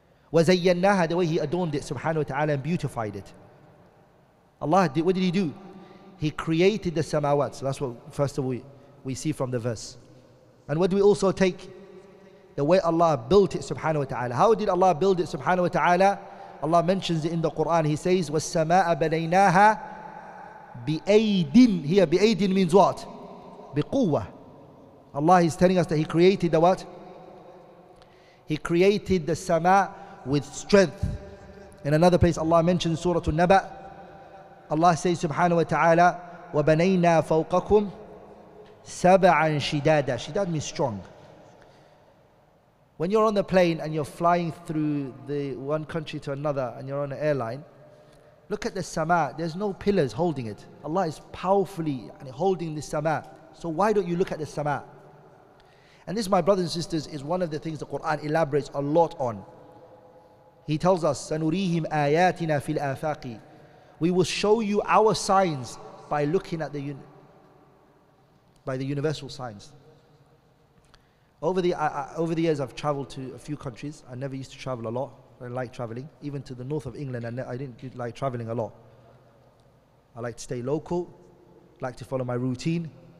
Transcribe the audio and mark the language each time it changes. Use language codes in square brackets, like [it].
[en] وَزَيَّنَّاهَا, the way He adorned it, subhanahu wa ta'ala, and beautified it. Allah, what did He do? He created the samawat. So that's what, first of all, we see from the verse. And what do we also take? The way Allah built it, subhanahu wa ta'ala. How did Allah build it, subhanahu wa ta'ala? Allah mentions it in the Quran. He says, [ar] وَالسَّمَاءَ بَنَيْنَاهَا بِأَيْدٍ. [en] Here, بِأَيْدٍ means what? [ar] بِقُوَّةٍ. [en] Allah is telling us that He created the what? He created the sama with strength. In another place, Allah mentions Surah An-Naba. Allah says, subhanahu wa ta'ala, [ar] وَبَنَيْنَا فَوْقَكُمْ سَبَعًا شِدَادًا. [en] Shidad means strong. When you're on the plane and you're flying through the one country to another and you're on an airline, look at the sama. There's no pillars holding it. Allah is powerfully holding the sama. So why don't you look at the sama? And this, my brothers and sisters, is one of the things the Quran elaborates a lot on. He tells us, [ar] سَنُرِيهِمْ آيَاتِنَا فِي الْآفَاقِ. [en] We will show you our signs by looking at the universal signs. Over the years, I've traveled to a few countries. I never used to travel a lot. I didn't like traveling. Even to the north of England, I didn't like traveling a lot. I like to stay local, like to follow my routine.